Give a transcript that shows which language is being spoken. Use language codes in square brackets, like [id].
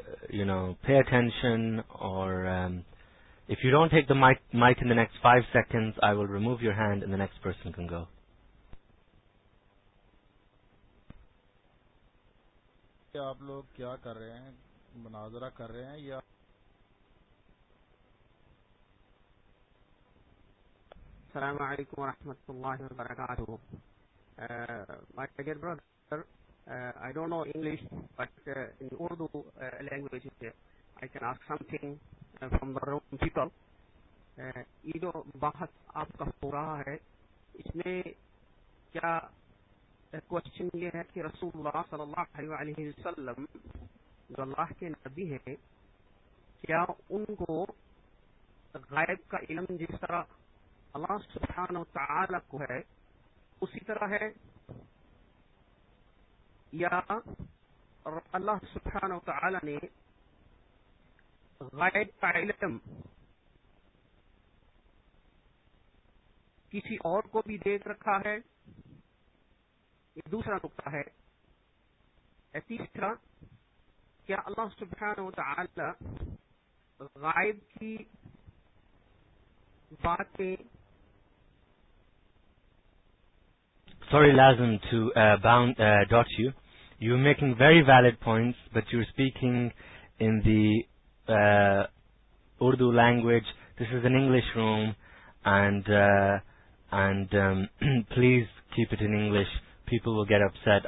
[en] You know, pay attention, or if you don't take the mic in the next 5 seconds, I will remove your hand and the next person can go. [ur] آپ لوگ کیا کر رہے ہیں, مناظرہ کر رہے ہیں یا [ar] السلام علیکم ورحمۃ اللہ وبرکاتہ. [en] My dear brother, I don't know English, but in Urdu language I can ask something from the room people. [ur] یہ جو بحث آپ کا ہو رہا ہے اس میں کیا کوشچن یہ ہے کہ رسول اللہ صلی اللہ علیہ وسلم جو اللہ کے نبی ہیں, کیا ان کو غائب کا علم جس طرح اللہ سبحانہ وتعالی کو ہے اسی طرح ہے, یا اللہ سبحانہ وتعالی نے غائب کا علم کسی اور کو بھی دے رکھا ہے؟ یہ دوسرا نقطہ ہے. تیسرا, کیا اللہ سبحانہ وتعالی غائب کی باتیں, [en] sorry Lazim to dot you, you're making very valid points, but you're speaking in the Urdu language, this is an English room, and please keep it in English, people will get upset.